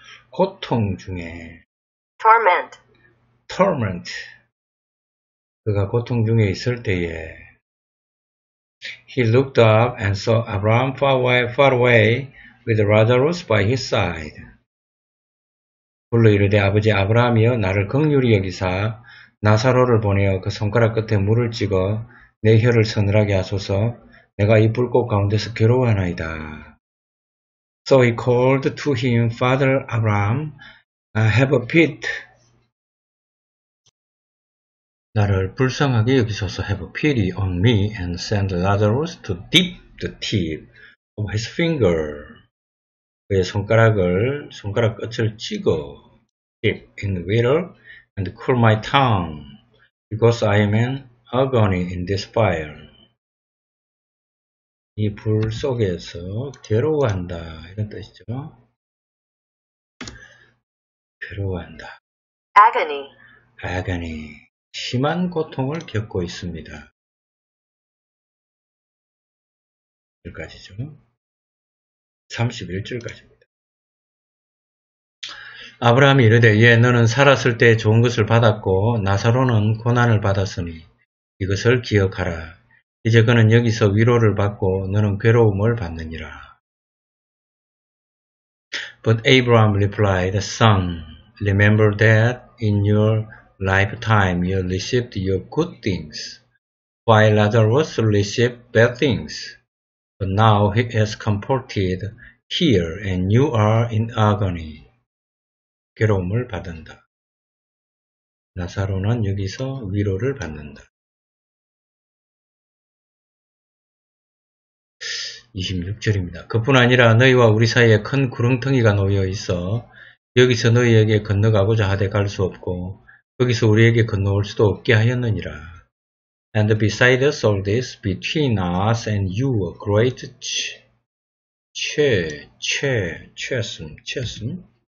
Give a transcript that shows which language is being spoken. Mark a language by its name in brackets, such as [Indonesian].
[Korean] 고통 중에 [English] torment [Korean] 그가 고통 중에 있을 때에 [English] he looked up and saw Abraham far away with Lazarus by his side. [Korean] 불러 이르되 아버지 아브라함이여 나를 긍휼히 여기사 나사로를 보내어 그 손가락 끝에 물을 찍어 내 혀를 서늘하게 하소서 내가 이 불꽃 가운데서 괴로워하나이다. [English] So he called to him, Father Abraham, have a pity. [Korean] 나를 불쌍하게 여기소서 [English] have a pity on me and send Lazarus to dip the tip of his finger. [Korean] 그의 손가락 끝을 찍어 [English] dip in the water. And cool my tongue, because I am in agony in this fire. [Korean] 이 불 속에서 괴로워한다. 이런 뜻이죠. 괴로워한다. [English] Agony. [Korean] 심한 고통을 겪고 있습니다. 여기까지죠. 31절까지. 아브라함이 이르되 예 너는 살았을 때 좋은 것을 받았고 나사로는 고난을 받았으니 이것을 기억하라. 이제 그는 여기서 위로를 받고 너는 괴로움을 받느니라. [English] But Abraham replied, Son, remember that in your lifetime you received your good things, while Lazarus received bad things. But now he is comforted here and you are in agony. [Korean] 괴로움을 받는다. 나사로는 여기서 위로를 받는다. 26절입니다. 그뿐 아니라 너희와 우리 사이에 큰 구렁텅이가 놓여 있어 여기서 너희에게 건너가고자 하되 갈 수 없고 거기서 우리에게 건너올 수도 없게 하였느니라. [English] And beside us all this, between us and you, a great chasm.